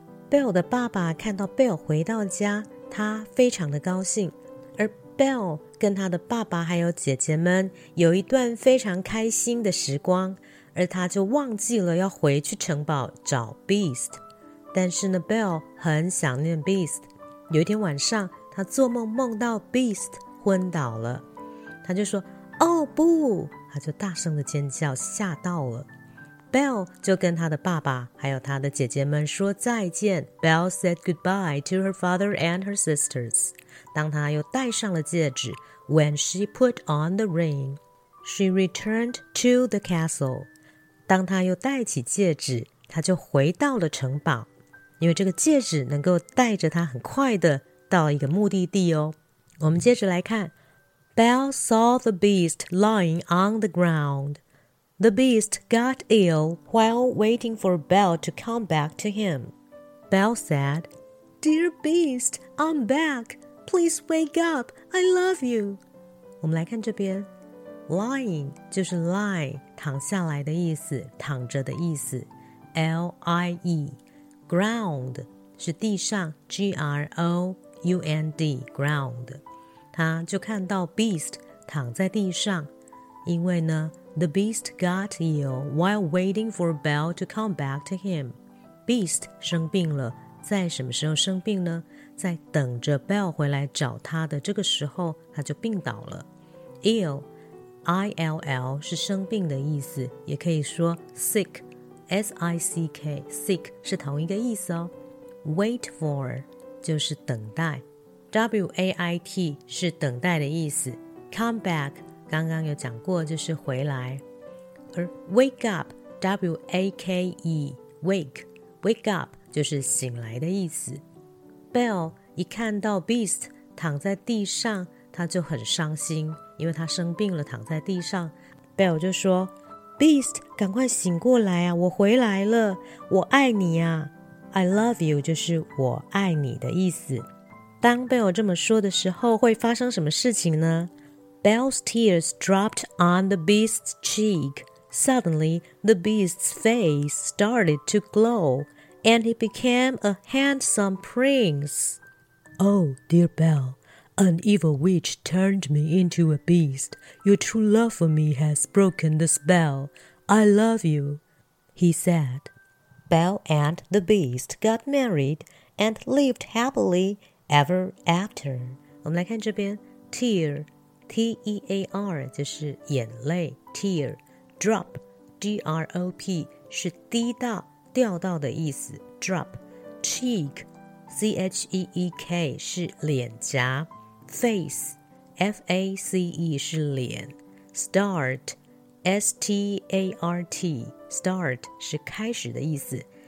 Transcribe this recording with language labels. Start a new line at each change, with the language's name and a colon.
Chinese: Belle 的爸爸看到 Belle 回到家，他非常的高兴，而 Belle 跟他的爸爸还有姐姐们有一段非常开心的时光，而他就忘记了要回去城堡找 Beast。 但是呢 Belle 很想念 Beast。 有一天晚上他做梦梦到 Beast 昏倒了，他就说哦不，他就大声的尖叫吓到了。 Belle 就跟他的爸爸还有他的姐姐们说再见。
English: Belle said goodbye to her father and her sisters.
Chinese: 当他又戴上了戒指，
English: When she put on the ring, she returned to the castle.
Chinese: 当他又戴起戒指，他就回到了城堡，因为这个戒指能够带着他很快的到一个目的地哦。我们接着来看，
English: Belle saw the beast lying on the ground. The beast got ill while waiting for Belle to come back to him. Belle said, Dear beast, I'm back. Please wake up. I love you.
Chinese: 我们来看这边， Lying 就是 lie， 躺下来的意思，躺着的意思， L-I-E。 Ground 是地上， G-R-O UND, ground. 他就看到 Beast 躺在地上，因为呢
English: The Beast got ill while waiting for Belle to come back to him.
Chinese: Beast 生病了，在什么时候生病呢？在等着 Belle 回来找他的这个时候，他就病倒了。 Ill, I-L-L 是生病的意思，也可以说 sick, S-I-C-K, sick 是同一个意思哦。 Wait for就是等待， W-A-I-T 是等待的意思， Come back 刚刚有讲过就是回来，而 Wake up W-A-K-E Wake Wake up 就是醒来的意思。 Belle 一看到 Beast 躺在地上，他就很伤心，因为他生病了躺在地上。 Belle 就说 Beast 赶快醒过来啊，我回来了，我爱你啊。
English: I love you
Chinese: 就是我爱你的意思。当 Belle 这么说的时候，会发生什么事情呢？
English: Belle's tears dropped on the beast's cheek. Suddenly, the beast's face started to glow, and he became a handsome prince. Oh, dear Belle, an evil witch turned me into a beast. Your true love for me has broken the spell. I love you, he said. Belle and the Beast got married and lived happily ever after.
Chinese: 我们来看这边， tear, T-E-A-R 就是眼泪， tear, drop, D-R-O-P 是滴到、掉到的意思， drop, cheek, C-H-E-E-K 是脸颊， face, F-A-C-E 是脸， start, S-T-A-R-T, start 是开始的意思。